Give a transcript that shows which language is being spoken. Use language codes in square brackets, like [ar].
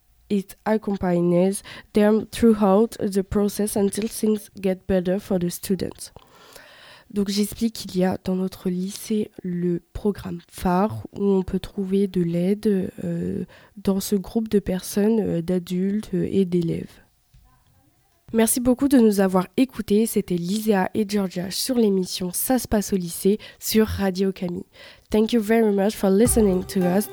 [en] It accompanies them throughout the process until things get better for the students. [fr] Donc j'explique qu'il y a dans notre lycée le programme phare où on peut trouver de l'aide dans ce groupe de personnes, d'adultes et d'élèves. Merci beaucoup de nous avoir écoutés. C'était Lisea et Georgia sur l'émission Ça se passe au lycée sur Radio Camille. [en] Thank you very much for listening to us.